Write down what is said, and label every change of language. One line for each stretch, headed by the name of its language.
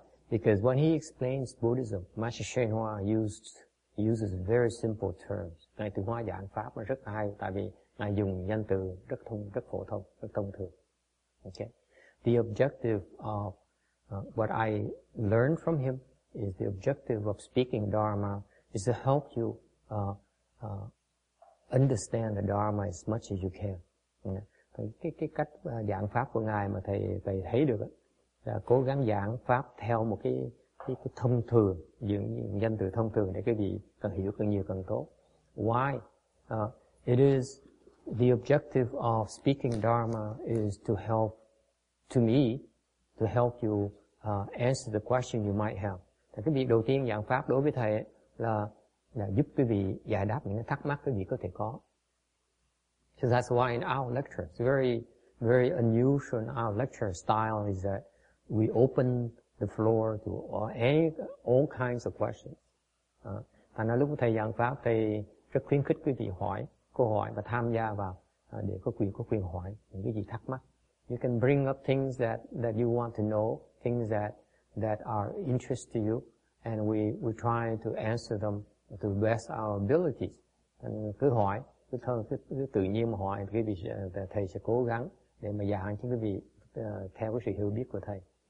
English: Because when he explains Buddhism, Master Shen Hoa uses very simple terms.
Vietnamese: Ngài Tiên Hóa giảng Pháp mà rất hay, tại vì Ngài dùng danh từ rất phổ thông, rất thông thường.
English: Okay. The objective of what I learned from him is the objective of speaking Dharma is to help you understand the Dharma as much as you can.
Vietnamese: Cái cách giảng pháp của ngài mà thầy thấy được ấy, là cố gắng giảng pháp theo một cái thông thường, những danh từ thông thường để cái gì càng hiểu càng nhiều càng tốt.
English: Why? It is the objective of speaking Dharma is to help to me to help you answer the question you might have.
Vietnamese: Thì cái việc đầu tiên giảng pháp đối với thầy ấy, là giúp quý vị giải đáp những thắc mắc quý vị có thể có.
English: So that's why in our lecture, it's very, very unusual in our lecture style is that we open the floor to all kinds of questions.
Vietnamese: Thành ra lúc thầy giảng pháp, thầy rất khuyến khích quý vị hỏi, câu hỏi và tham gia vào để có quyền hỏi những cái gì thắc mắc.
English: You can bring up things that you want to know, things that are interest to you, and we try to answer them to best our abilities. And
Vietnamese: cứ hỏi. Cứ tự nhiên mà hỏi quý vị, thầy sẽ cố gắng để mà giảng cho quý vị theo cái sự hiểu biết của thầy.